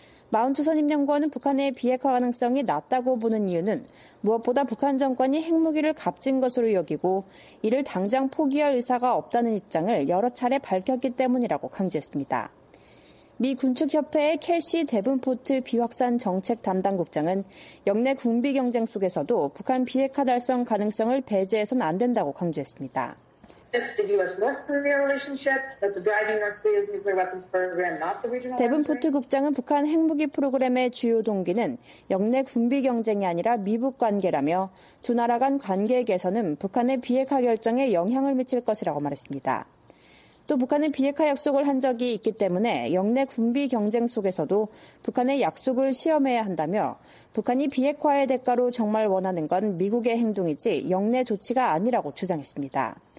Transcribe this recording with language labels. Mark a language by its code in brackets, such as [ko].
[ko] 마운트 선임연구원은 북한의 비핵화 가능성이 낮다고 보는 이유는 무엇보다 북한 정권이 핵무기를 값진 것으로 여기고 이를 당장 포기할 의사가 없다는 입장을 여러 차례 밝혔기 때문이라고 강조했습니다. 미 군축협회의 캐시 데븐포트 비확산 정책 담당 국장은 역내 군비 경쟁 속에서도 북한 비핵화 달성 가능성을 배제해서는 안 된다고 강조했습니다. [en] It's the U.S.-North Korea relationship that's driving North Korea's nuclear weapons program, not the regional. [ko] 데븐포트 국장은 북한 핵무기 프로그램의 주요 동기는 역내 군비 경쟁이 아니라 미북 관계라며 두 나라 간 관계 개선은 북한의 비핵화 결정에 영향을 미칠 것이라고 말했습니다. 또 북한은 비핵화 약속을 한 적이 있기 때문에 역내 군비 경쟁 속에서도 북한의 약속을 시험해야 한다며 북한이 비핵화의 대가로 정말 원하는 건 미국의 행동이지 역내 조치가 아니라고 주장했습니다.